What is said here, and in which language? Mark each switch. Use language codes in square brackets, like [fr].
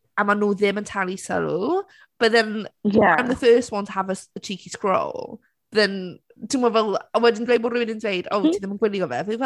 [cy] A maen nhw ddim yn talu sylw, [en] but then yeah. I'm the first one to have a cheeky scroll. [cy] Then, ti'n meddwl, well, a wedyn dweud bod rhywun yn dweud, oh, ti ddim yn gwylio fe?